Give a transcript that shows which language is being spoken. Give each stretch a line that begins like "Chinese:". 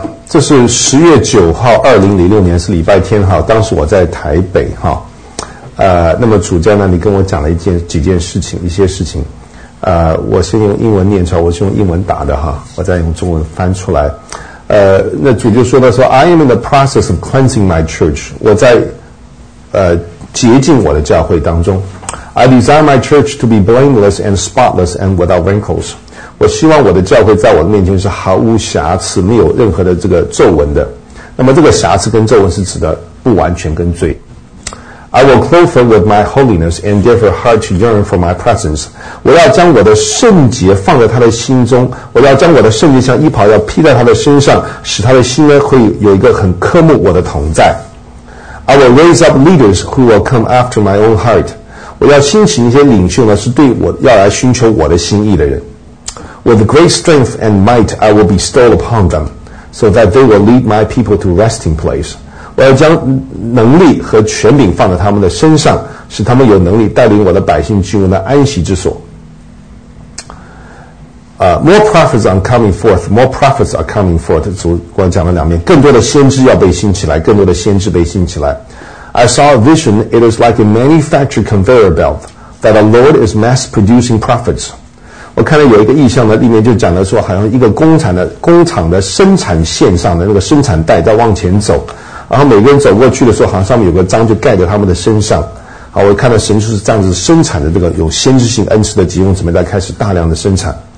Chinese: 这是10月9号2006年，是礼拜天哈，当时我在台北哈，那么主教呢，你跟我讲了一些事情。我先用英文念出来，我是用英文打的哈，我再用中文翻出来。那主就说他说
English: ，I am in the process of cleansing my church。
Chinese: 我在洁净我的教会当中。
English: I desire my church to be blameless and spotless and without wrinkles。
Chinese: 我希望我的教会在我的面前是毫无瑕疵，没有任何的这个皱纹的。那么这个瑕疵跟皱纹是指的不完全跟罪。
English: I will clothe her with my holiness and give her heart to yearn for my presence.
Chinese: 我要将我的圣洁放在她的心中，我要将我的圣洁像衣袍要披在她的身上，使她的心呢会有一个很渴慕我的同在。
English: I will raise up leaders who will come after my own heart.
Chinese: 我要兴起一些领袖呢，是对我要来寻求我的心意的人。
English: With great strength and might I will bestow upon them, so that they will lead my people to resting place.
Chinese: 我要将能力和权柄放在他们的身上，使他们有能力带领我的百姓进入那安息之所。
English: More prophets are coming forth, more prophets are coming forth.
Chinese: 主光讲了两面，更多的先知要被兴起来，更多的先知被兴起来。
English: I saw a vision, it is like a manufactured conveyor belt, that the Lord is mass producing prophets.
Chinese: 我看到有一个意象呢，里面就讲了说，好像一个工厂的生产线上的那个生产带在往前走。然后每个人走过去的时候，好像上面有个章就盖在他们的身上。好，我看到神就是这样子生产的，这个有先知性恩赐的弟兄姊妹在开始大量的生产。